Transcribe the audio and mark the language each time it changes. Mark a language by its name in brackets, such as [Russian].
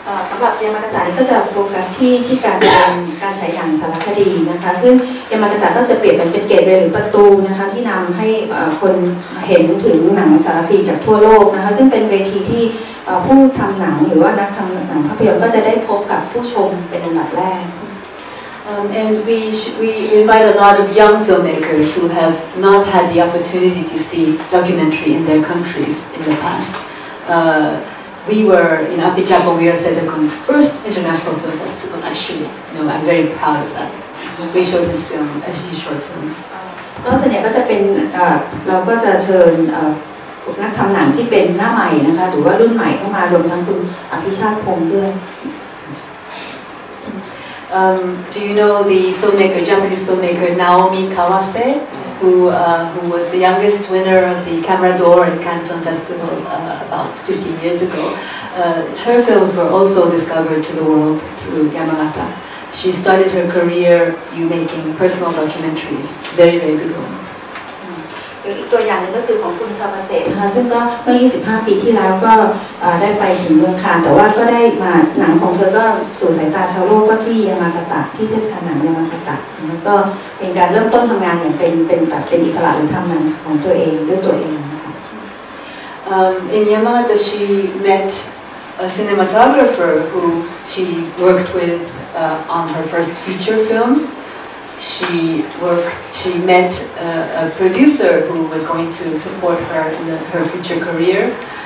[Thai] สำหรับยามากาตะนี่ก็จะโฟกัสที่การเป็นการฉายหนังสารคดีนะคะซึ่งยามากาตะก็จะเปรียบเป็นเกตเวย์หรือประตูนะคะที่นำให้คนเห็นถึงหนังสารคดีจากทั่วโลกนะคะซึ่งเป็นเวทีที่ผู้ทำหนังหรือว่านักทำหนังภาพยนตร์ก็จะได้พบกับผู้ชมเป็นอันดับแรก [English] And we invite a lot of young filmmakers who have not had the opportunity to see documentary in their countries in the past. We were in Apichapo, we are Setakun's first international film festival, actually. You know, I'm very proud of that. we show this film, actually short films. [Thai] ก็ส่วนใหญ่ก็จะเป็นเราก็จะเชิญนักทำหนังที่เป็นหน้าใหม่นะคะหรือว่ารุ่นใหม่เข้ามารวมทั้งคุณอภิชาติพงษ์ด้วย [English] Do you know the filmmaker, Japanese filmmaker Naomi Kawase, who was the youngest winner of the Camera d'Or at Cannes Film Festival about 15 years ago? Her films were also discovered to the world through Yamagata. She started her career making personal documentaries, very, very good ones. [Thai] ตัวอย่างนึงก็คือของคุณคาวาเซ่นะคะซึ่งก็เมื่อ25ปีที่แล้วก็ได้ไปถึงเมืองคานแต่ว่าก็ได้มาหนังของเธอก็สู่สายตาชาวโลกก็ที่ยามากาตะที่เทศกาลหนังยามากาตะแล้วก็เป็นการเริ่มต้นทำงานอย่างเป็นอิสระหรือทำหนังของตัวเองด้วยตัวเองนะคะ [English] In Yamagata she met a cinematographer who she worked with on her first feature filmShe met a producer who was going to support her in her future career.